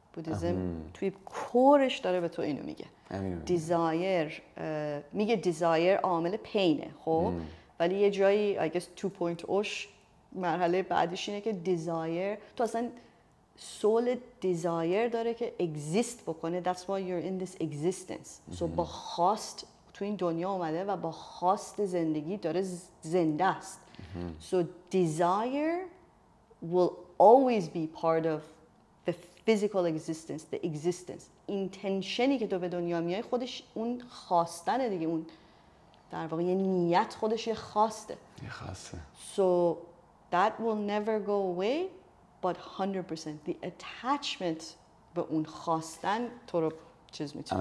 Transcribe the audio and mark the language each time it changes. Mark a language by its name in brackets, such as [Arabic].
[Persian] بودیزم توی کورش داره به تو اینو میگه، دیزایر میگه، دیزایر عامل پینه خب، ولی یه جایی [English] I guess [Persian] 2.0ش مرحله بعدش اینه که دیزایر، تو اصلا سول دیزایر داره که اگزیست بکنه، [English] that's why you're in this existence. [Persian] So با خواست تو این دنیا اومده و با خواست زندگی داره زنده است. [English] So desire will always be part of the physical existence, the existence. [Persian] Intentionی که تو به دنیا میای خودش اون خواستنه دیگه، اون در واقع یه نیت، خودش یه خواسته. یه خواسته. [English] So that will never go away, but 100% the attachment [Persian] به اون خواستن تو رو چیز میتونه.